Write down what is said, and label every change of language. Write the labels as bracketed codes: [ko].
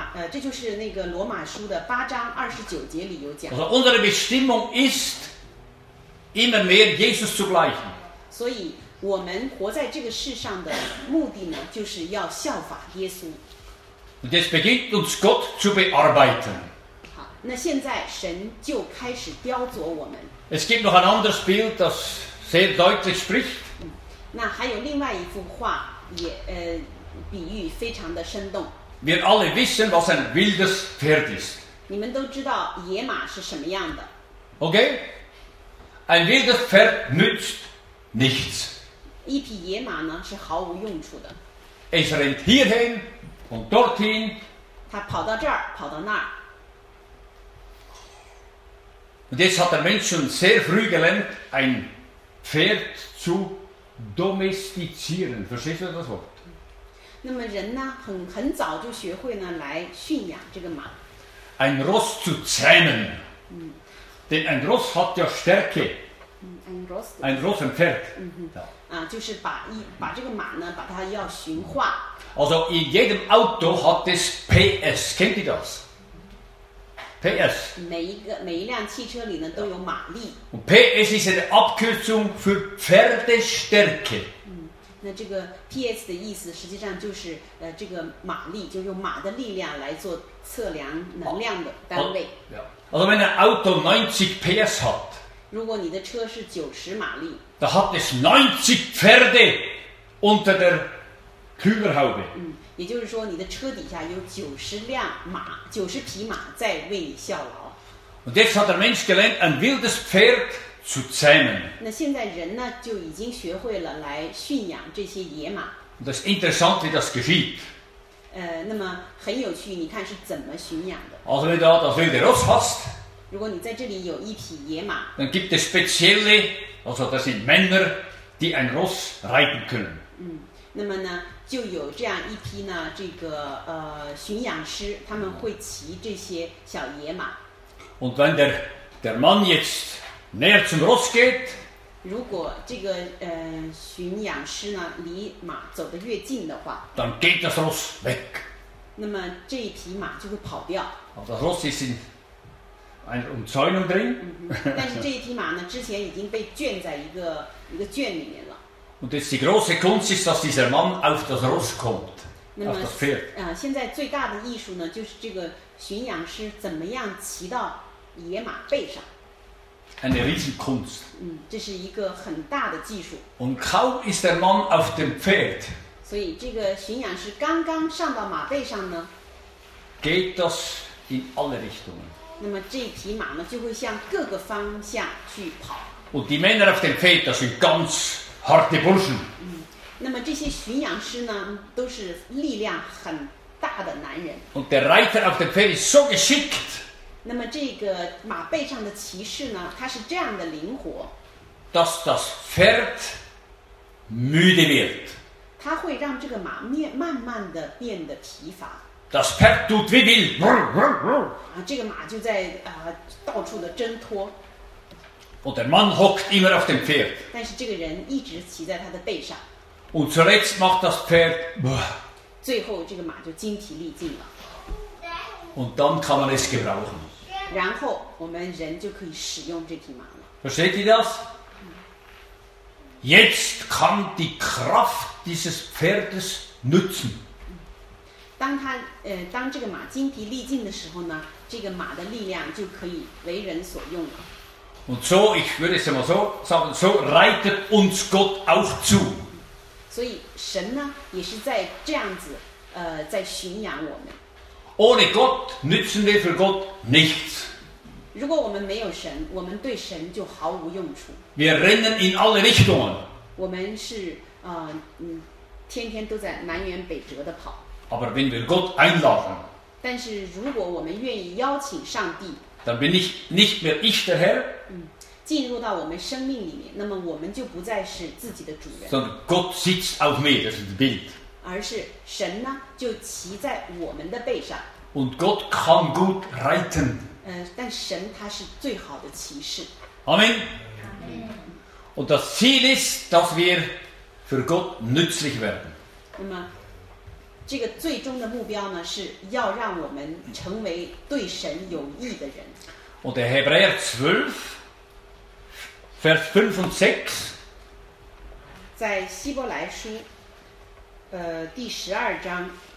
[zh] 这就是那个罗马书的八章二十九节里有讲。 [de] Also unsere Bestimmung ist immer mehr Jesus zu gleichen. [zh] 所以我们活在这个世上的目的呢，就是要效法耶稣。 [de] Und jetzt beginnt uns Gott zu bearbeiten. [zh] 好，那现在神就开始雕琢我们。 [de] Es gibt noch ein anderes Bild, das sehr deutlich spricht. [zh] 那还有另外一幅画也比喻非常的生动。 [de] Wir alle wissen, was ein wildes Pferd ist. [zh] 你们都知道野马是什么样的。 [de] Okay? Ein wildes Pferd nützt nichts. [zh] 一匹野马呢是毫无用处的。 [de] Es rennt hierhin und dorthin. [zh] 它跑到这儿，跑到那儿。 [de] Und jetzt hat der Mensch schon sehr früh gelernt, ein Pferd zu domestizieren, verstehst du das Wort? [zh] 那么人呢，很早就学会呢来驯养这个马。 [de] Ein Ross zu zähmen. Denn ein Ross hat ja Stärke. Ein Ross, ein Pferd. [zh] 就是把这个马呢，把它要驯化。 [de] Also in jedem Auto hat es PS. Kennt ihr das? PS. [zh] 每一辆汽车里呢都有马力。 [de] PS ist eine Abkürzung für Pferdestärke. [zh] 那这个 PS 的意思实际上就是这个马力，就用马的力量来做测量能量的单位。 [de] Also wenn ein Auto 90 PS hat, [zh] 如果你的车是90马力， [de] da hat es 90 Pferde unter der Kühlerhaube. [zh] 也就是说你的车底下有90匹马在为你效劳。 [de] Und jetzt hat der Mensch gelernt, ein wildes Pferd zu zähmen. [zh] 那现在人呢就已经学会了来驯养这些野马。 [de] Und das ist interessant, wie das geschieht. [zh] 那么很有趣，你看是怎么驯养的。 [de] Also wenn du das wilde Ross hast, [zh] 如果你在这里有一匹野马， [de] dann gibt es spezielle, also das sind Männer, die ein Ross reiten können. [zh] 那么呢就有这样一批呢这个驯养师，他们会骑这些小野马。 [de] Und wenn der Mann jetzt näher zum Ross geht, [zh] 如果这个驯养师呢离马走得越近的话， [de] dann geht das Ross weg. [zh] 那么这一匹马就会跑掉。 [de] Das Ross ist in einer Umzäunung drin. [zh] 但是这一匹马呢之前已经被圈在一个圈里面了。 [de] Und jetzt die große Kunst ist, dass dieser Mann auf das Ross kommt, [zh] 那么, [de] auf das Pferd. [zh] 现在最大的艺术呢，就是这个驯养师怎么样骑到野马背上。 [de] Eine Riesenkunst. [zh] 这是一个很大的技术。 [de] Und kaum ist der Mann auf dem Pferd. [zh] 所以这个驯养师刚刚上到马背上呢。 [de] Geht das in alle Richtungen. [zh] 那么这匹马呢，就会向各个方向去跑。 [de] Und die Männer auf dem Pferd, das sind ganz harte Burschen. [zh] 那么这些驯养师呢，都是力量很大的男人。 [de] Und der Reiter auf dem Pferd ist so geschickt. [zh] 那么这个马背上的骑士呢，他是这样的灵活。 [de] Dass das Pferd müde wird. [zh] 他会让这个马慢慢的变得疲乏。 [de] Das Pferd tut wie wild. [zh] 这个马就在到处的挣脱。 [de] Und der Mann hockt immer auf dem Pferd. [zh] 但是这个人一直骑在他的背上。 [de] Und zuletzt macht das Pferd. [zh] 最后这个马就精疲力尽了。 [de] Und dann kann man es gebrauchen. [zh] 然后我们人就可以使用这匹马了。 [de] Versteht ihr das? Jetzt kann die Kraft dieses Pferdes nutzen. [zh] 当这个马精疲力尽的时候呢，这个马的力量就可以为人所用了。 [de] Und so, ich würde es immer so sagen, so reitet uns Gott auch zu. [zh] 所以神呢，也是在这样子，在驯养我们。 [de] Ohne Gott nützen wir für Gott nichts. [zh] 如果我们没有神，我们对神就毫无用处。 [de] Wir rennen in alle Richtungen. [zh] 我们是天天都在南辕北辙的跑。 [de] Aber wenn wir Gott einladen, [zh] 但是如果我们愿意邀请上帝， [de] dann bin ich nicht mehr ich der Herr, [zh] 进入到我们生命里面，那么我们就不再是自己的主人。 [de] Sondern Gott sitzt auf mir, das ist das Bild. [zh] 而是神呢，就骑在我们的背上。 [de] Und Gott kann gut reiten. [zh] 但神他是最好的骑士。 [de] Amen. Und das Ziel ist, dass wir für Gott nützlich werden. [zh] 那么这个最终的目标呢，是要让我们成为对神有益的人。 [de] Und der Hebräer 12, Vers 5 und 6, [zh] 在希伯来书第十二章